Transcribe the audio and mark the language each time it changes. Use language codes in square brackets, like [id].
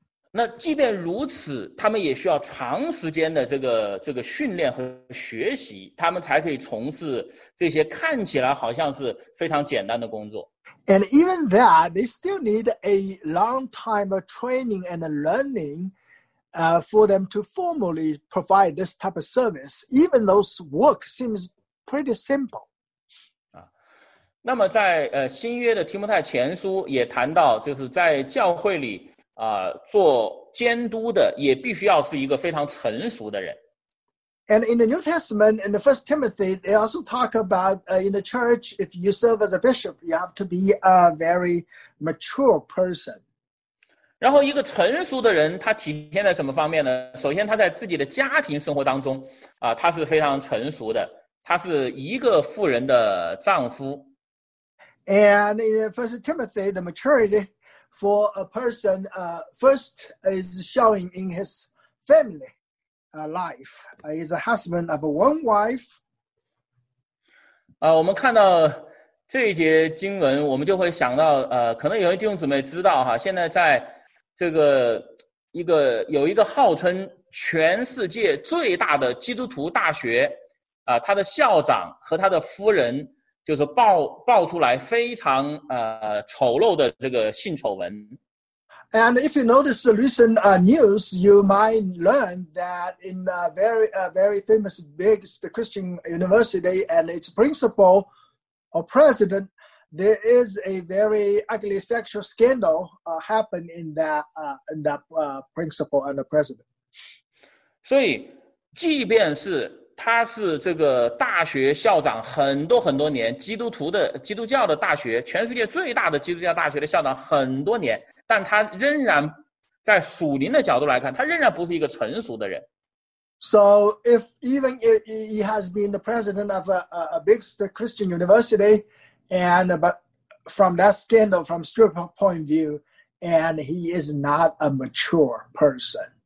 [zh] 那即便如此，他们也需要长时间的这个训练和学习，他们才可以从事这些看起来好像是非常简单的工作。 [en] And even that, they still need a long time of training and learning, for them to formally provide this type of service. Even those work seems pretty simple. [zh] 那么在新约的提摩太前书也谈到，就是在教会里做监督的也必须要是一个非常成熟的人。 [en] And in the New Testament, in the First Timothy, they also talk about in the church, if you serve as a bishop, you have to be a very mature person. [zh] 然后一个成熟的人，他体现在什么方面呢？首先，他在自己的家庭生活当中，他是非常成熟的，他是一个妇人的丈夫。 [en] And in First Timothy, the maturity for a person, first is showing in his family. Life is a husband of one wife. [zh] 我们看到这一节经文，我们就会想到，可能有些弟兄姊妹知道哈，现在在这个一个有一个号称全世界最大的基督徒大学，他的校长和他的夫人就是爆出来非常丑陋的这个性丑闻。 [en] And if you notice the recent news, you might learn that in a very, very famous biggest Christian university and its principal or president, there is a very ugly sexual scandal happened in that principal and the president. [zh] 所以，即便是他是这个大学校长很多很多年，基督教的大学，全世界最大的基督教大学的校长很多年，但他仍然在属灵的角度来看，他仍然不是一个成熟的人。 [en] So if even he has been the president of a big Christian university, and but from that scandal, from strip point of view, and he is not a mature person.